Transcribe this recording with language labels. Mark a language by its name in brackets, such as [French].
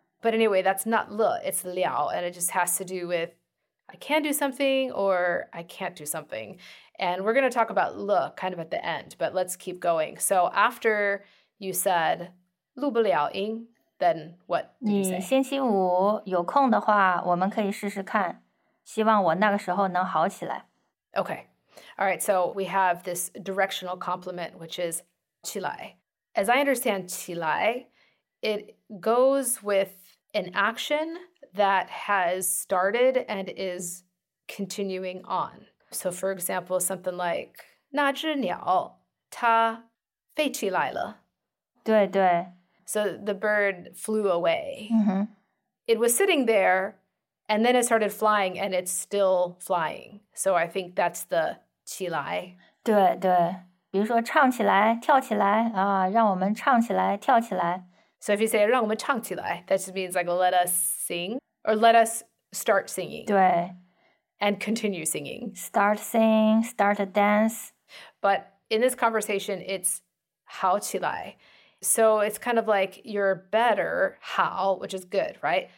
[English] But anyway, that's not 了, it's 了. And it just has to do with I can do something or I can't do something. And we're going to talk about 了 kind of at the end, but let's keep going. So after you said 录不了音, then what did you say? [Chinese] 你星期五有空的话，我们可以试试看。希望我那个时候能好起来。 [English] Okay. All right, so we have this directional complement, which is 起来. As I understand 起来, it goes with an action that has started and is continuing on. So for example, something like [Chinese] 那只鸟它飞起来了。对对。 [English] So the bird flew away. Mm-hmm. It was sitting there, and then it started flying, and it's still flying. So I think that's the 起来. [Chinese] 对对, 比如说唱起来, 跳起来, 啊, 让我们唱起来, 跳起来. [English] So if you say [Chinese] 让我们唱起来, [English] that just means like let us sing, or let us start singing. [Chinese] 对. [English] And continue singing. Start singing, start a dance. But in this conversation, it's 好起来. So it's kind of like you're better, 好, which is good, right?